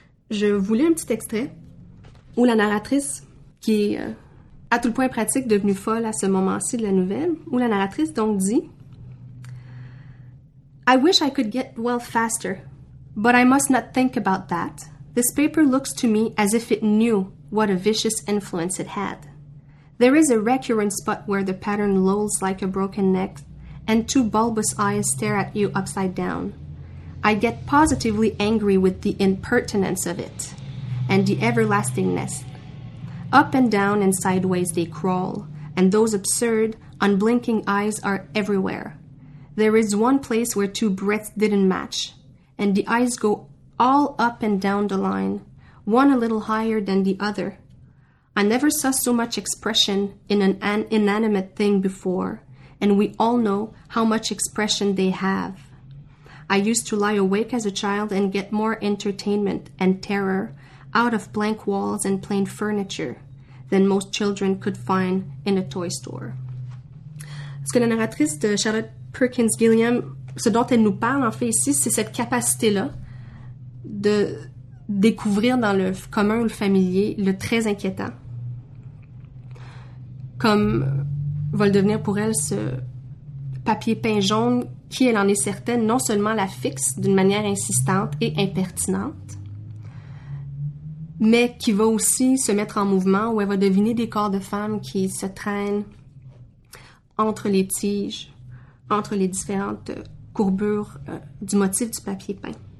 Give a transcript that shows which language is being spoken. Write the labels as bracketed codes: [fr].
[fr] Je vous lis un petit extrait où la narratrice, qui est à tout le point pratique devenue folle à ce moment-ci de la nouvelle, où la narratrice donc dit « [en] I wish I could get well faster. » But I must not think about that. This paper looks to me as if it knew what a vicious influence it had. There is a recurrent spot where the pattern lolls like a broken neck, and two bulbous eyes stare at you upside down. I get positively angry with the impertinence of it. and the everlastingness. Up and down and sideways they crawl, and those absurd, unblinking eyes are everywhere. There is one place where two breaths didn't match, and the eyes go all up and down the line, one a little higher than the other. I never saw so much expression in an inanimate thing before, and we all know how much expression they have. I used to lie awake as a child and get more entertainment and terror out of blank walls and plain furniture than most children could find in a toy store. [fr] Ce que la narratrice de Charlotte Perkins Gilliam, ce dont elle nous parle en fait ici, c'est cette capacité-là de découvrir dans le commun ou le familier le très inquiétant, comme va le devenir pour elle ce papier peint jaune qui, elle en est certaine, non seulement la fixe d'une manière insistante et impertinente, mais qui va aussi se mettre en mouvement où elle va deviner des corps de femmes qui se traînent entre les tiges, entre les différentes courbures du motif du papier peint.